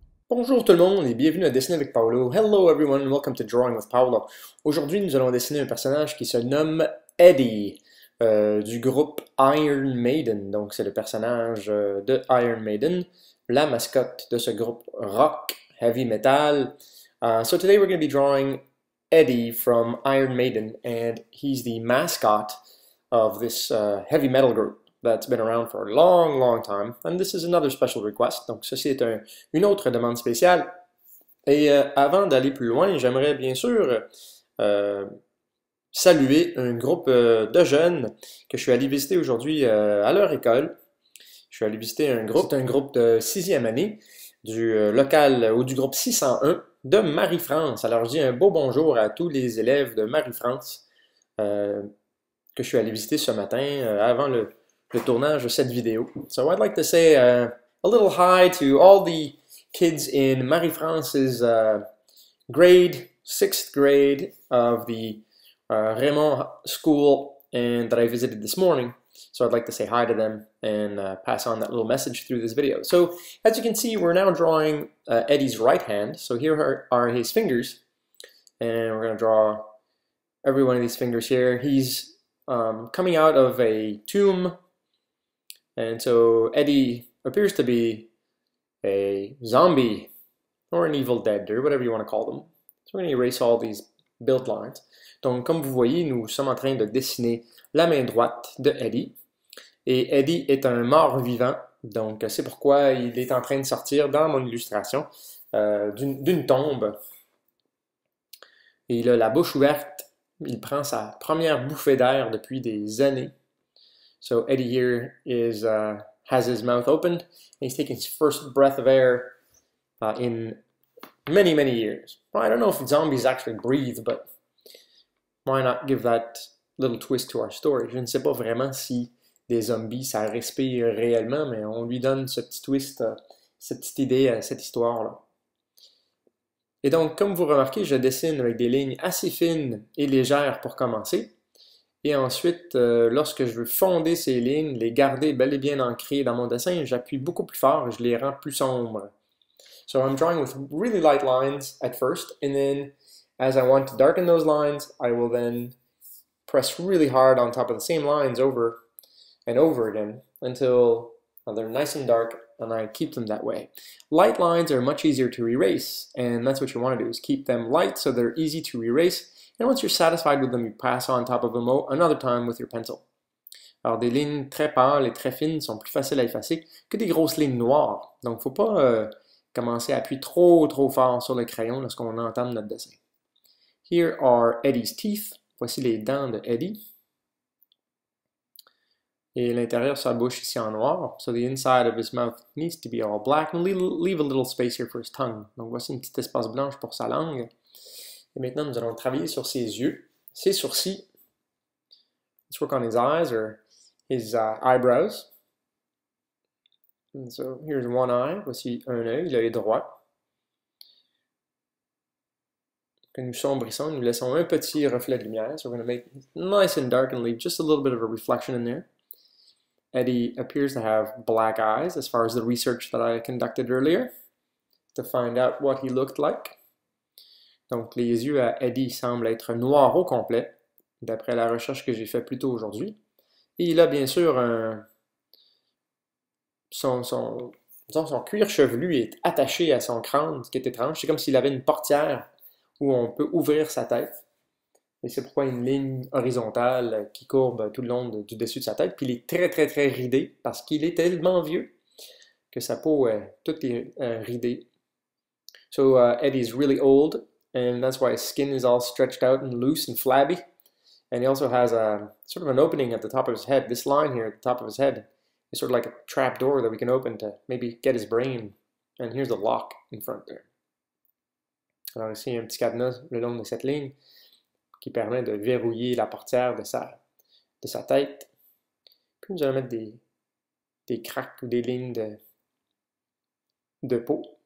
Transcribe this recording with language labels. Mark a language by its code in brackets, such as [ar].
[fr] Bonjour tout le monde et bienvenue à Dessiner avec Paolo. [en] Hello everyone, welcome to Drawing with Paolo. [fr] Aujourd'hui, nous allons dessiner un personnage qui se nomme Eddie du groupe Iron Maiden. Donc, c'est le personnage de Iron Maiden, la mascotte de ce groupe rock, heavy metal. [en] So today we're going to be drawing Eddie from Iron Maiden and he's the mascot of this heavy metal group. That's been around for a long, long time. And this is another special request. Donc, ceci est une autre demande spéciale. [fr] Et avant d'aller plus loin, j'aimerais bien sûr saluer un groupe de jeunes que je suis allé visiter aujourd'hui à leur école. Je suis allé visiter un groupe. C'est un groupe de sixième année du local ou du groupe 601 de Marie-France. Alors, je dis un beau bonjour à tous les élèves de Marie-France que je suis allé visiter ce matin avant le tournage de cette vidéo. [en] So I'd like to say a little hi to all the kids in Marie-France's grade, sixth grade of the Raymond School and that I visited this morning. So I'd like to say hi to them and pass on that little message through this video. So as you can see, we're now drawing Eddie's right hand. So here are his fingers. And we're going to draw every one of these fingers here. He's coming out of a tomb. And so Eddie appears to be a zombie or an evil dead or whatever you want to call them. So we're going to erase all these build lines. [fr] Donc, comme vous voyez, nous sommes en train de dessiner la main droite de Eddie. Et Eddie est un mort vivant. Donc, c'est pourquoi il est en train de sortir dans mon illustration d'une tombe. Et il a la bouche ouverte. Il prend sa première bouffée d'air depuis des années. [en] So Eddie here is has his mouth opened, and he's taking his first breath of air in many, many years. Well, I don't know if zombies actually breathe, but why not give that little twist to our story? [fr] Je ne sais pas vraiment si des zombies, ça respire réellement, mais on lui donne ce petit twist, cette petite idée à cette histoire-là. Et donc, comme vous remarquez, je dessine avec des lignes assez fines et légères pour commencer. Et ensuite, lorsque je veux fonder ces lignes, les garder bel et bien ancrées dans mon dessin, j'appuie beaucoup plus fort et je les rends plus sombres. [en] So I'm drawing with really light lines at first, and then as I want to darken those lines, I will then press really hard on top of the same lines over and over again until they're nice and dark, and I keep them that way. Light lines are much easier to erase, and that's what you want to do, is keep them light so they're easy to erase. And once you're satisfied with them, you pass on top of them another time with your pencil. [fr] Alors, des lignes très pâles et très fines sont plus faciles à effacer que des grosses lignes noires. Donc, il ne faut pas commencer à appuyer trop fort sur le crayon lorsqu'on entame notre dessin. [en] Here are Eddie's teeth. [fr] Voici les dents de Eddie. Et l'intérieur de sa bouche ici en noir. [en] So, the inside of his mouth needs to be all black. And leave a little space here for his tongue. [fr] Donc, voici une petite espace blanche pour sa langue. Et maintenant, nous allons travailler sur ses yeux, ses sourcils. [en] Let's work on his eyes or his eyebrows. And so, here's one eye. [fr] Voici un œil, l'œil droit. Que nous sombrissons, nous laissons un petit reflet de lumière. [en] So, we're going to make it nice and dark and leave just a little bit of a reflection in there. Eddie appears to have black eyes as far as the research that I conducted earlier to find out what he looked like. [fr] Donc, les yeux à Eddie semblent être noirs au complet, d'après la recherche que j'ai faite plus tôt aujourd'hui. Et il a bien sûr son cuir chevelu est attaché à son crâne, ce qui est étrange. C'est comme s'il avait une portière où on peut ouvrir sa tête. Et c'est pourquoi une ligne horizontale qui courbe tout le long du dessus de sa tête. Puis il est très, très, très ridé parce qu'il est tellement vieux que sa peau est toute ridée. [en] So, Eddie is really old. And that's why his skin is all stretched out and loose and flabby. And he also has a sort of an opening at the top of his head. This line here at the top of his head is sort of like a trap door that we can open to maybe get his brain. And here's the lock in front there. [fr] Alors ici, il y a un petit cadenas le long de cette ligne qui permet de verrouiller la portière de sa tête. Puis nous allons mettre des cracks ou des lignes de peau.